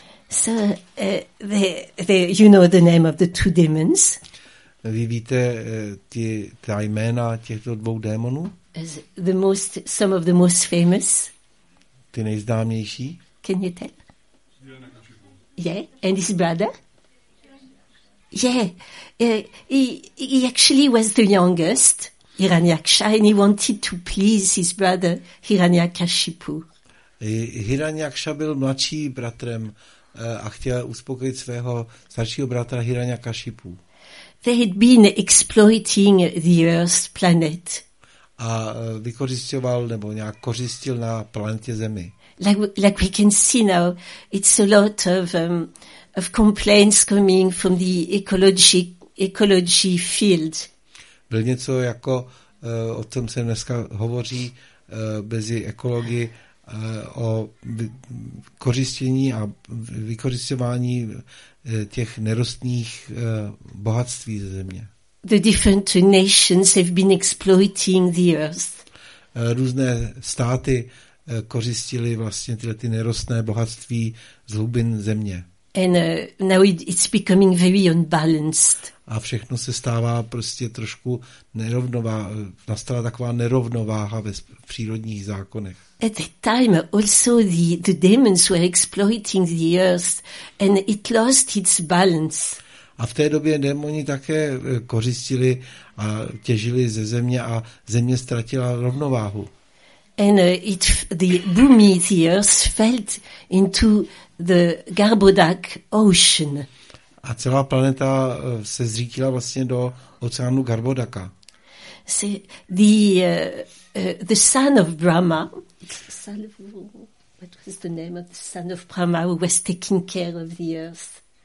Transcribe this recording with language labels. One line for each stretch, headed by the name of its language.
English: So they you know the name of the two demons?
Czech: Vy víte ta jména těchto dvou démonů?
English: Some of the most famous.
Czech: Ty nejznámější?
English: Can you tell? Yeah, and his brother? Yeah, he actually was the youngest, Hiranyaksha, and he wanted to please his brother, Hiranyakashipu.
Czech: Hiranyaksha byl mladší bratrem a chtěl uspokojit svého staršího bratra Hiranyakashipu.
English: They had been exploiting the Earth's planet.
Czech: A vykořisťoval nebo nějak kořistil na planetě Zemi.
English: Like we can see now, it's a lot of complaints coming from the ecology field.
Czech: Byl něco jako, o tom se dneska hovoří, mezi ekology, o kořistění a vykořisťování těch nerostných bohatství ze země.
English: The different nations have been exploiting the earth.
Czech: Různé státy kořistili vlastně tyhle ty nerostné bohatství z hlubin země.
English: And now it's becoming very unbalanced.
Czech: A všechno se stává prostě trošku nerovnová, nastala taková nerovnováha ve přírodních zákonech.
English: At the time also the demons were exploiting the earth and it lost its balance.
Czech: A v té době démoni také kořistili a těžili ze země a země ztratila rovnováhu.
English: And the Bhumi, the earth, fell into the Garbhodak ocean.
Czech: A celá planeta se zřítila vlastně do oceánu Garbhodaka.
English: See, the son of Brahma, what was the name of the son of Brahma who was taking care of the earth?